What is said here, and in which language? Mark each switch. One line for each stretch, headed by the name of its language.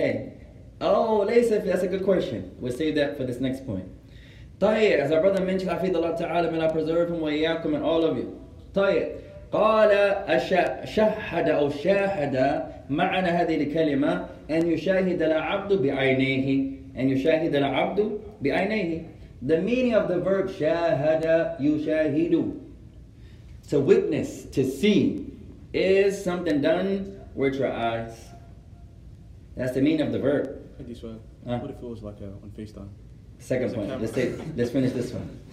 English: your person. Hey. Oh, Laysef, that's a good question. We'll save that for this next point. طيب, as our brother mentioned, I feed Allah Ta'ala, may I preserve him, wa iyyakum, and all of you.
Arabic: طيب, قال شهد أو شاهد معنى هذه الكلمة أن يشاهد العبد بعينيه أن يشاهد العبد بعينيه.
English: The meaning of the verb شاهد يشاهد, to witness, to see, is something done with your eyes. That's the meaning of the verb. What if it was like on FaceTime? Second point. Let's finish this one.